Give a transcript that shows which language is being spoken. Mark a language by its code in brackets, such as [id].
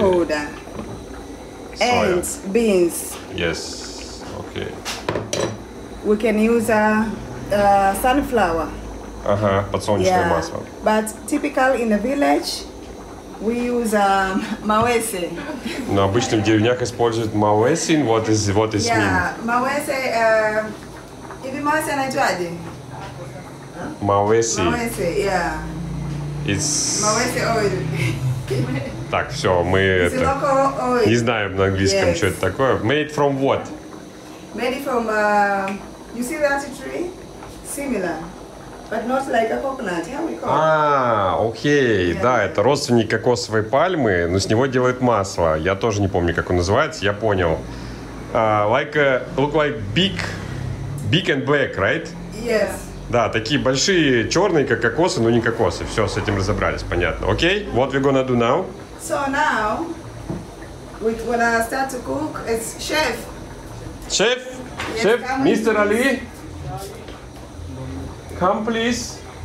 [en] powder. Soya. And beans. Yes, okay. We can use sunflower. [ru] Uh-huh, подсолнечное масло. [en] But typical in the village, we use mawese. [ru] Но обычно в деревнях используют mawese. [en] What is yeah, mean? Yeah, mawese. Even mawese na juadi. Mawese. Mawese, yeah. It's... Mawese oil. [ru] Так, все, мы это, [en] local oil. [ru] Не знаем на английском, [en] yes. [ru] что это такое. [en] Made from what? Made from... you see that tree? Similar. But not like a coconut. Yeah, we call it. А, окей. [ru] Да, это родственник кокосовой пальмы, но с него делают масло. Я тоже не помню, как он называется, я понял. [en] Like a, look like big, big and black, right? Yes. [ru] Да, такие большие, черные, как кокосы, но не кокосы. Все, с этим разобрались, понятно. [en] Окей, okay, what we gonna do now? So now, we gonna start to cook as chef. Chef? Yes, chef, Mr. Ali? Come, please.